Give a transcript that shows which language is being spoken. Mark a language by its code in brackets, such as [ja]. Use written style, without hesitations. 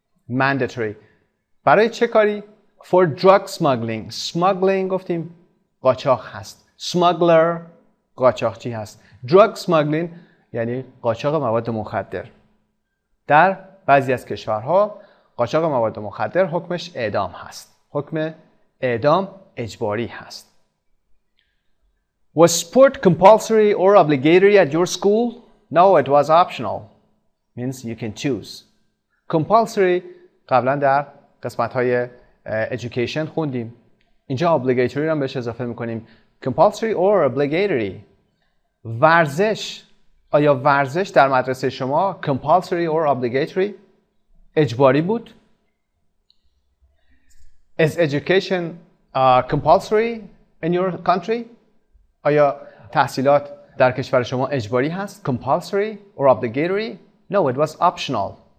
[fa] Mandatory برای چه کاری؟ [en] For drug smuggling. [fa] Smuggling گفتیم قاچاق هست. Smuggler قاچاقچی هست. [en] Drug smuggling [fa] یعنی قاچاق مواد مخدر. در بعضی از کشورها قاچاق مواد مخدر حکمش اعدام هست. حکم اعدام اجباری هست. [en] Was sport compulsory or obligatory at your school? No, it was optional. Means you can choose. [fa] Compulsory قبلا در قسمت‌های education خوندیم. اینجا obligatory رو بهش اضافه می‌کنیم. [en] Compulsory or obligatory. ورزش. [fa] آیا ورزش در مدرسه شما [en] compulsory or obligatory؟ [fa] اجباری بود؟ [en] Is education compulsory in your country؟ [fa] آیا تحصیلات در کشور شما اجباری هست؟ [en] Compulsory or obligatory؟ No, it was optional.